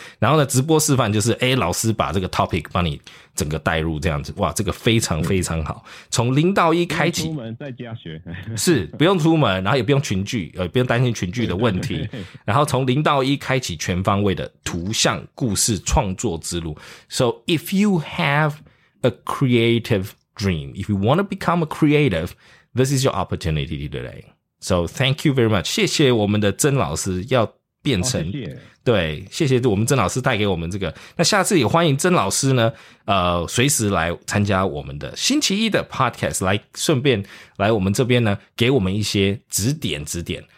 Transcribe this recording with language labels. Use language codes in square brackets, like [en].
[zh] 然后呢，直播示范就是，哎，老师把这个 topic 帮你整个带入这样子，哇，这个非常非常好，从零到一开启，不用出门在家学，是不用出门，然后也不用群聚，不用担心群聚的问题，对对对对，然后从零到一开启全方位的图像故事创作之路。 [en] So if you have a creative dream, if you want to become a creative, this is your opportunity today. So thank you very much. [zh] 谢谢我们的曾老师，要变成、哦、谢谢，对，谢谢我们曾老师带给我们这个。那下次也欢迎曾老师呢，随时来参加我们的星期一的 podcast， 来顺便来我们这边呢，给我们一些指点指点。